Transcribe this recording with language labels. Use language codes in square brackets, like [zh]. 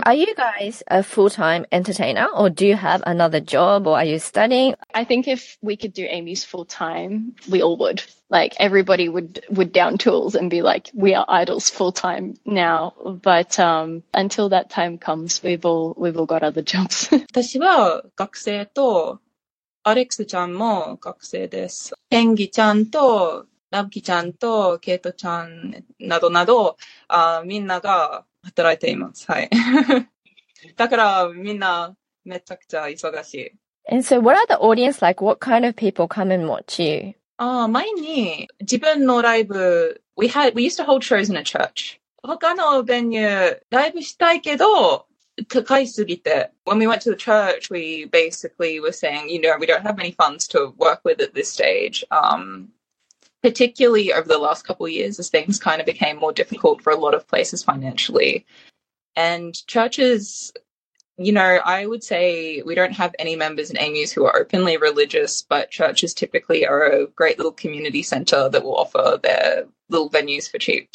[en] Are you guys a full-time entertainer or do you have another job or are you studying? I think if we could do AMIs full-time, we all would. Like everybody would down tools and be like, we are idols full-time now. But until that time comes, we've all got other jobs. [ja] 私は学生とアレックスちゃんも学生です。ペンギちゃんとラブキちゃんとケイトちゃんなどなど、みんなが働いています。はい。だからみんなめちゃくちゃ忙しい。 [en] And so what are the audience like? What kind of people come and watch you? [ja] 前に自分のライブ、 [en] we used to hold shows in a church. [ja] 他のベニュー、ライブしたいけど、高いすぎて。 [en] When we went to the church, we basically were saying, you know, we don't have any funds to work with at this stage. Particularly over the last couple of years, as things kind of became more difficult for a lot of places financially. And churches, you know, I would say we don't have any members in AMUs who are openly religious, but churches typically are a great little community center that will offer their little venues for cheap.